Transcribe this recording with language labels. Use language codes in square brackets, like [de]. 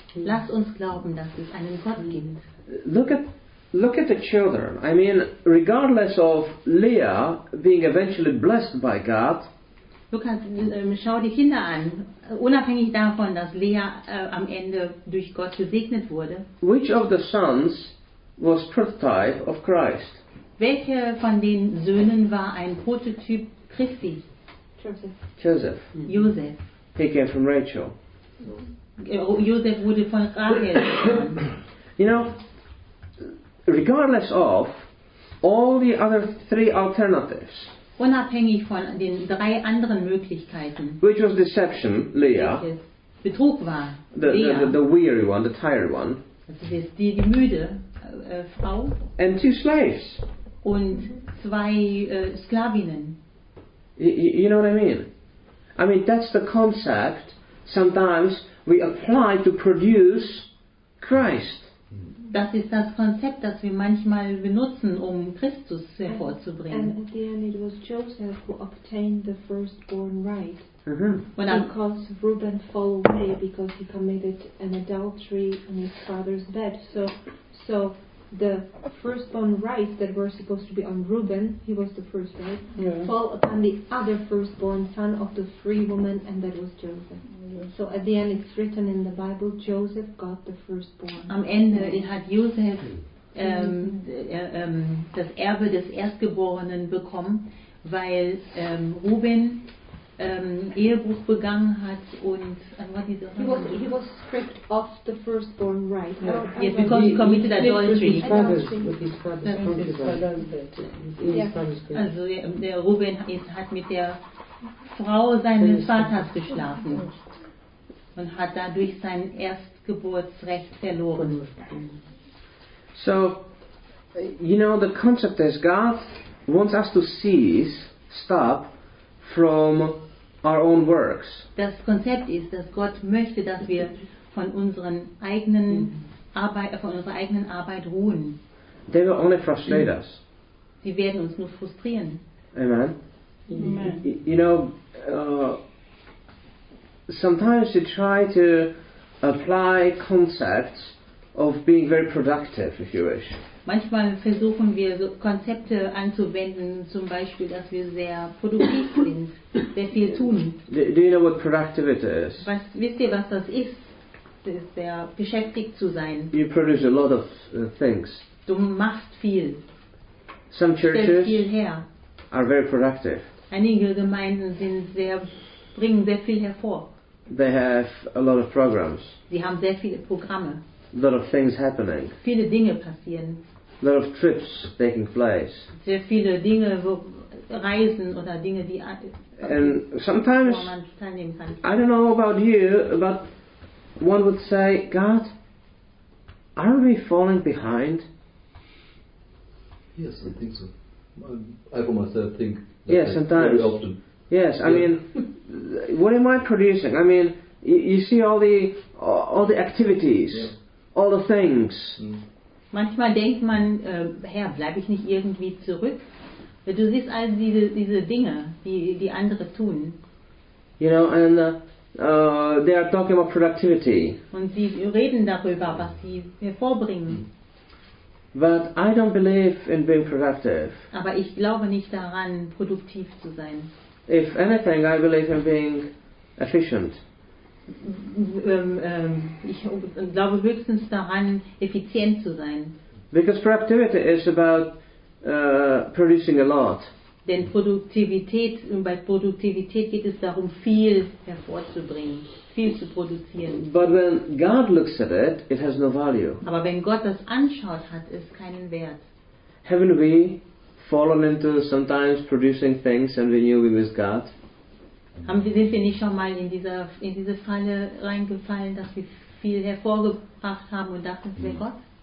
[de] Lass uns glauben, dass es einen Gott gibt. [en] Look at the children. I mean, regardless of Leah being eventually blessed by God. [de] Schau die Kinder an. Unabhängig davon, dass Leah am Ende durch Gott gesegnet wurde. [en] Which of the sons was prototype of Christ? [de] Welche von den Söhnen war ein Prototyp Christi? [en] Joseph. [de] Joseph. [en] He came from Rachel. [de] Joseph wurde von Rachel. [en] You know, regardless of all the other three alternatives. [de] Unabhängig von den drei anderen Möglichkeiten. [en] Which was deception, Leah. [de] Betrug war, [en] the weary one, the tired one. [de] Das ist die müde Frau. [en] And two slaves. [de] Und zwei Sklavinnen. [en] You know what I mean? I mean, that's the concept sometimes we apply to produce Christ. [de] Das ist das Konzept, das wir manchmal benutzen, um Christus hervorzubringen. [en] And at the end it was Joseph who obtained the firstborn right. Mm-hmm. Because Reuben fell away because he committed an adultery on his father's bed. So the firstborn right that were supposed to be on Reuben, he was the first right, fall upon the other firstborn son of the free woman, and that was Joseph. So at the end it's written in the Bible, Joseph got the firstborn. [de] Am Ende hat Joseph das Erbe des Erstgeborenen bekommen, weil Reuben Ehebruch begangen hat und [en] he was stripped of the firstborn right. Yes, because he committed adultery. [de] Also der Reuben hat mit der Frau seines Vaters geschlafen. Und hat dadurch sein Erstgeburtsrecht verloren. [en] So, you know, the concept is God wants us to cease, stop from our own works. [de] Das Konzept ist, dass Gott möchte, dass wir von unseren eigenen Arbeit, von unserer eigenen Arbeit ruhen. [en] They will only frustrate us. [de] Sie werden uns nur frustrieren. Amen. Amen. [en] You know, sometimes you try to apply concepts of being very productive, if you wish. [de] Manchmal versuchen wir Konzepte anzuwenden, zum Beispiel, dass wir sehr produktiv sind, sehr viel tun. [en] Do you know what productivity is? [de] Wisst ihr, was das ist? Das ist sehr beschäftigt zu sein. [en] You produce a lot of things. [de] Du machst viel. [en] Some churches [de] viel her. [en] Are very productive. [de] Einige Gemeinden sind sehr bringen sehr viel hervor. [en] They have a lot of programs. [de] Sie haben sehr viele Programme. [en] A lot of things happening. [de] Viele Dinge passieren. [en] A lot of trips taking place. [de] Sehr viele Dinge, wo Reisen oder Dinge, die [en] and sometimes, [de] wo man teilnehmen kann. [en] I don't know about you, but one would say, God, are we falling behind? Yes, I think so. I for myself think that yes, sometimes. Very often. Yes, I mean, what am I producing? I mean, you see all the activities, all the things. [de] Manchmal denkt man, Herr, bleib ich nicht irgendwie zurück? Du siehst all diese Dinge, die andere tun. [en] You know, and they are talking about productivity. [de] Und sie reden darüber, was sie hervorbringen. [en] But I don't believe in being productive. [de] Aber ich glaube nicht daran, produktiv zu sein. [en] If anything, I believe in being efficient. [de] Ich glaube höchstens daran, effizient zu sein. [en] Because productivity is about producing a lot. [de] Denn Produktivität, bei Produktivität geht es darum, viel hervorzubringen, viel zu produzieren. [en] But when God looks at it, it has no value. [de] Aber wenn Gott das anschaut, hat es keinen Wert. [en] Haven't we fallen into sometimes producing things and we knew we missed God? [de] Sind wir nicht schon mal in diese Falle reingefallen, dass wir viel hervorgebracht haben und dachten, es wäre Gott?